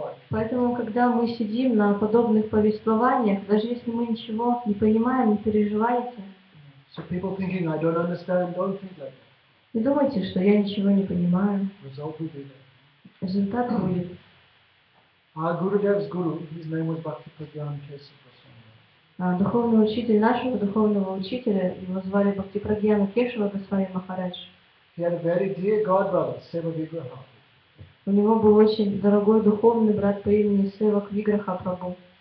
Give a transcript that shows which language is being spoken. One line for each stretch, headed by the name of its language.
Russian: Поэтому, когда мы сидим на подобных повествованиях, даже если мы ничего не понимаем, не переживаете.
English: So people thinking, I don't understand, don't think like that.
Russian: Не думайте, что я ничего не понимаю.
English: Result will be there.
Russian: Результат будет.
English: Our Gurudev's guru, his name was Bhakti Pradhyan Kesava Goswami.
Russian: Духовный учитель нашего духовного учителя, его звали Бхакти Прагьяна Кешава Госвами Махарадж.
English: He had a very dear god brother, Сева Виграха.
Russian: У него был очень дорогой духовный брат по имени Сева Виграха Прабху.